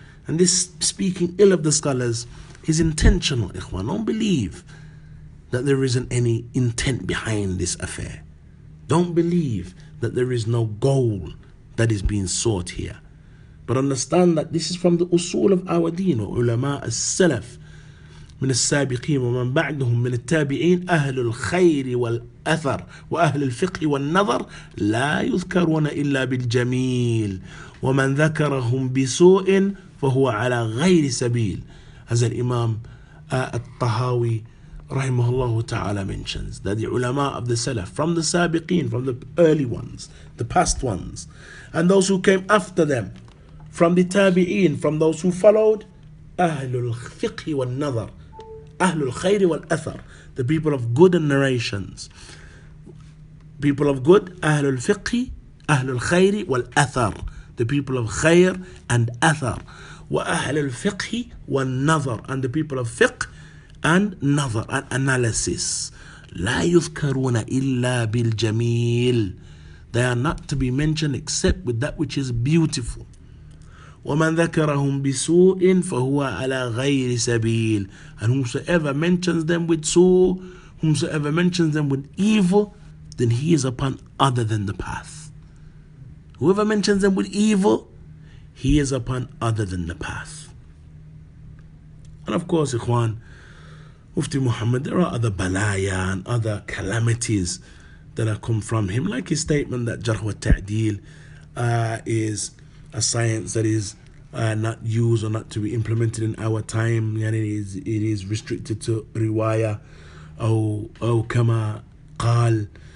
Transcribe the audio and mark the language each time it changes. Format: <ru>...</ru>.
<en>And this speaking ill of the scholars is intentional, ikhwan. Don't believe that there isn't any intent behind this affair. Don't believe that there is no goal that is being sought here. But understand that this is from the usul of our deen, or ulama as-salaf.</en> <ar>من السابقين ومن بعدهم من التابعين أهل الخير والأثر وأهل الفقه والنظر لا يذكرون إلا بالجميل ومن ذكرهم بسوء فهو على غير سبيل.</ar> <en>As an Imam al-Tahawi rahimahullah ta'ala mentions, that the ulama of the Salaf, from the Sabiqeen, from the early ones, the past ones, and those who came after them, from the Tabi'een, from those who followed, Ahlul Fiqh wal Nadhar, Ahlul Khayri wal Athar, the people of good and narrations, people of good, Ahlul Fiqh, Ahlul Khayri wal Athar, the people of Khayr and Athar,</en> <ar>وأهل الفقه والنظر,</ar> <en>and the people of fiqh and nazar and analysis.</en> <ar>لا يذكرون إلا بالجميل.</ar> <en>They are not to be mentioned except with that which is beautiful.</en> <ar>ومن ذكرهم بسوء فهو على غير سبيل.</ar> <en>And whosoever mentions them with سوء, whosoever mentions them with evil, then he is upon other than the path. Whoever mentions them with evil, he is upon other than the path. And of course, ikhwan, Mufti Muhammad, there are other balaya and other calamities that have come from him, like his statement that jarh wa ta'dil is a science that is not used or not to be implemented in our time, and it is restricted to riwaya or kama qal.</en>